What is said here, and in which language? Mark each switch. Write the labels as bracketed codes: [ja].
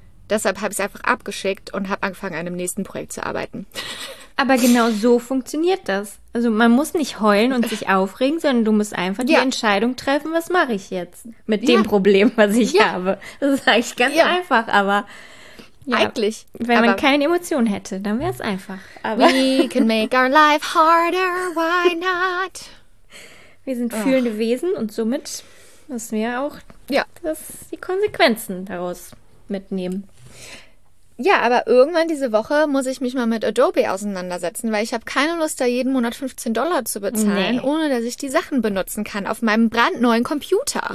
[de] Deshalb habe ich es einfach abgeschickt und habe angefangen, an einem nächsten Projekt zu arbeiten. Aber genau so funktioniert das. Also man muss nicht heulen und sich aufregen, sondern du musst einfach die Entscheidung treffen, was mache ich jetzt mit dem Problem, was ich habe. Das ist eigentlich ganz einfach, aber... Ja, eigentlich. Wenn man keine Emotionen hätte, dann wäre es einfach. [en] Aber we can make our life harder, why not? [de] Wir sind fühlende Wesen und somit müssen wir auch die Konsequenzen daraus mitnehmen. Ja, aber irgendwann diese Woche muss ich mich mal mit Adobe auseinandersetzen, weil ich habe keine Lust, da jeden Monat $15 zu bezahlen, ohne dass ich die Sachen benutzen kann auf meinem brandneuen Computer.